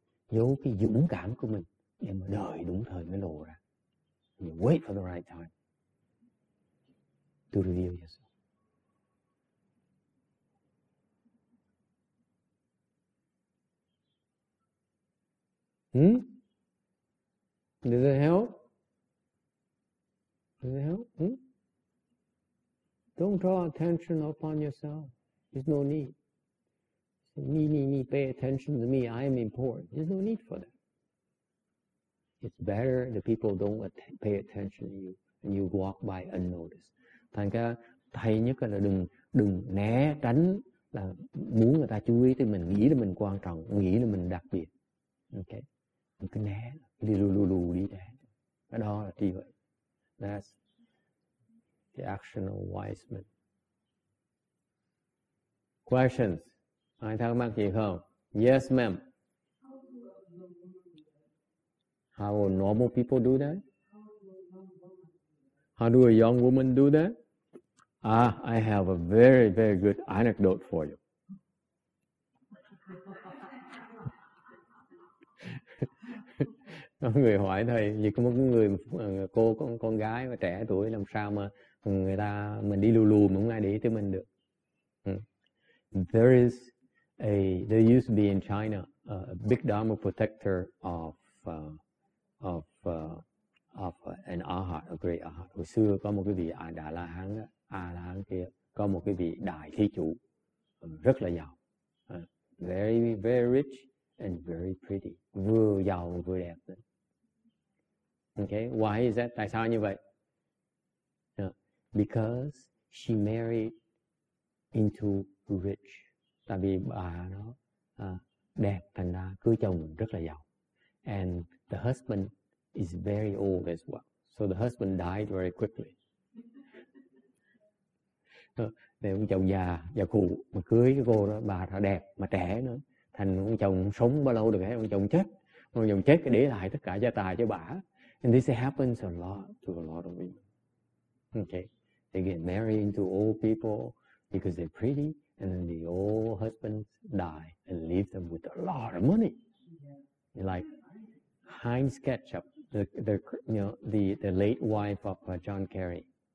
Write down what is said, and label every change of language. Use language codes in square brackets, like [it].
[vi] Giấu cái dũng cảm của mình để mà đợi đúng thời mới lộ ra. [en] You wait for the right time to reveal yourself. Does it help? Does it help? Don't draw attention upon yourself. There's no need. Me, pay attention to me, I am important. There's no need for that. It's better the people don't pay attention to you and you walk by unnoticed. [vi] Thành ra, hay nhất là đừng né tránh là muốn người ta chú ý tới mình, nghĩ là mình quan trọng, nghĩ là mình đặc biệt. Okay? Mình cứ né, đi lù đi ra. Cái đó là trí huệ. [en] That's the action of wise men. Questions? [vi] Ai thắc mắc gì không? [en] Yes, ma'am. How will normal people do that? How do a young woman do that? Ah, I have a very, very good anecdote for you. [vi] Người hỏi thầy, như có một người cô con gái mà trẻ tuổi làm sao mà người ta mình đi lù mà không ai để ý tới mình được? [en] There is there used to be in China a big Dharma protector of an Arhat, a great Arhat. [vi] Hồi xưa có một cái vị A-la-hán kia, có một cái vị đại thí chủ rất là giàu, [en] very very rich and very pretty, [vi] vừa giàu vừa đẹp. Okay, [en] why is that? [vi] Tại sao như vậy? [en] Because she married into rich. [vi] Tại vì bà nó đẹp, thành ra cưới chồng rất là giàu. [en] And the husband is very old as well. So the husband died very quickly. [vi] Để ông chồng già khù mà cưới cái cô đó, bà đó đẹp mà trẻ nữa. Thành ông chồng sống bao lâu được hết, ông chồng chết để lại tất cả gia tài cho bà. [en] And this happens a lot to a lot of women. Okay. They get married into old people because they're pretty. And then the old husbands die and leave them with a lot of money. Yeah. Like Heinz Ketchup, the late wife of John Kerry.